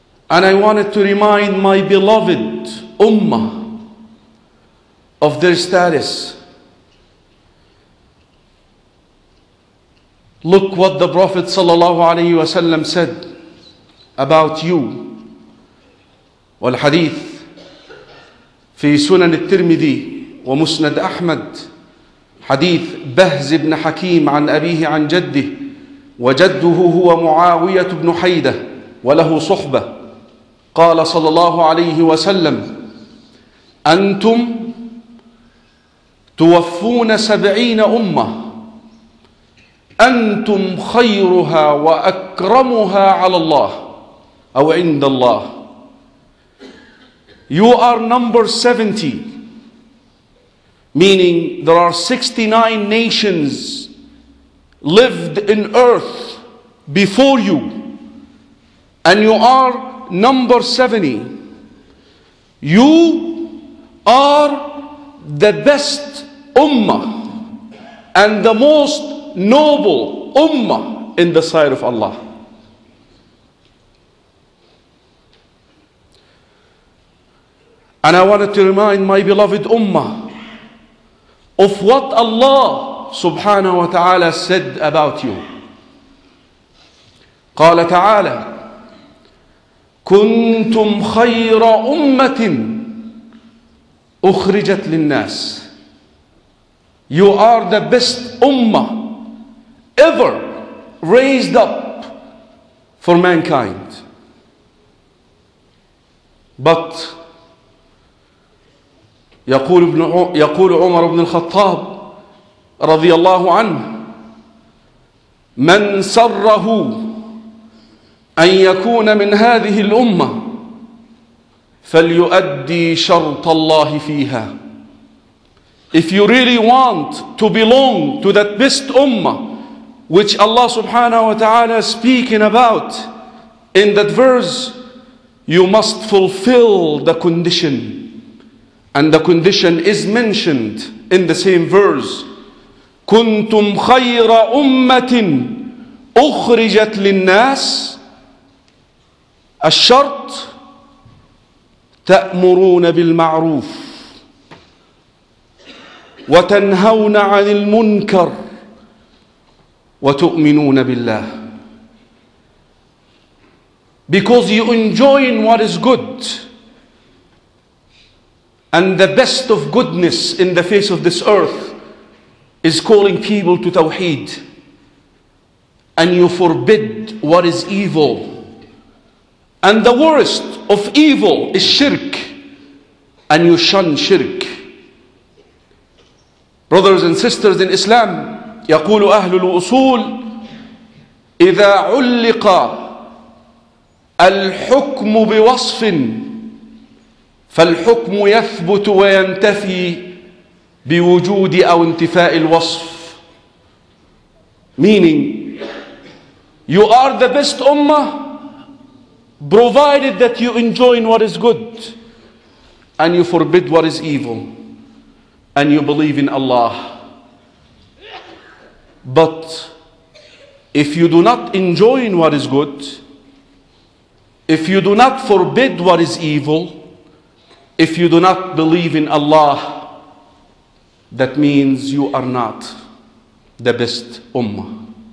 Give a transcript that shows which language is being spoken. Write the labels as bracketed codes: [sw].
[en] And I wanted to remind my beloved Ummah of their status. Look what the Prophet sallallahu alayhi wa sallam said about you. [ar] والحديث في سنن الترمذي ومسند أحمد، حديث بهز بن حكيم عن أبيه عن جده، وجده هو معاوية بن حيدة وله صحبة، قال صلى الله عليه وسلم: أنتم توفون 70 أمة، أنتم خيرها وأكرمها على الله أو عند الله. [en] You are number 70, meaning there are 69 nations lived in earth before you, and you are number 70. You are the best ummah and the most noble ummah in the sight of Allah. And I wanted to remind my beloved ummah of what Allah subhanahu wa ta'ala said about you. [ar] قال تعالى: كنتم خير أمة أخرجت للناس. [en] You are the best ummah ever raised up for mankind. [ar] But يقول عمر بن الخطاب رضي الله عنه: من سره أن يكون من هذه الأمة فليؤدي شرط الله فيها. [en] If you really want to belong to that best ummah which Allah subhanahu wa ta'ala is speaking about in that verse, you must fulfill the condition. And the condition is mentioned in the same verse. [ar] كنتم خير أمة أخرجت للناس الشرط تأمرون بالمعروف وتنهون عن المنكر وتؤمنون بالله. [en] Because you enjoy what is good and the best of goodness in the face of this earth is calling people to tawheed, and you forbid what is evil, and the worst of evil is shirk, and you shun shirk. Brothers and sisters in Islam, [ar] يقول أهل الأصول إذا علق الحكم بوصف فالحكم يثبت وينتفي بوجود أو انتفاء الوصف. [en] Meaning, you are the best ummah provided that you enjoy what is good and you forbid what is evil and you believe in Allah. But if you do not enjoy what is good, if you do not forbid what is evil, if you do not believe in Allah, that means you are not the best ummah.